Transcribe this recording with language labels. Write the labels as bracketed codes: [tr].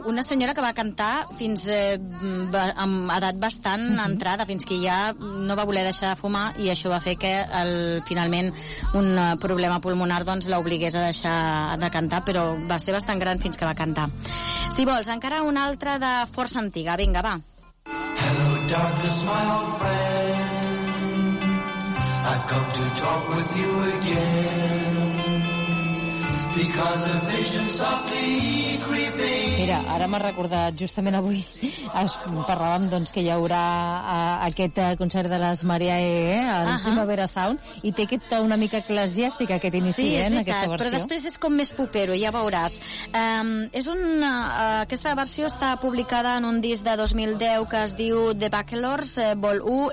[ca] Una senyora que va cantar fins amb edat bastant entrada, fins que ja no va voler deixar de fumar, i això va fer que finalment un problema pulmonar doncs l'obligués a deixar de cantar, però va ser bastant gran fins que va cantar. Si vols, encara una altra de força antiga. Vinga, va. [en] Hello darkness, my old friend, I've come to talk with you again. [ca] Mira, ara m'ha recordat, justament avui parlàvem doncs que hi haurà aquest concert de les Mariae, el Primavera Sound, i té aquest to una mica eclesiàstic, aquest inici, sí, en aquesta versió. Sí, és veritat, però després és com més popero, ja veuràs. Aquesta versió està publicada en un disc de 2010 que es diu The Bachelors, vol 1.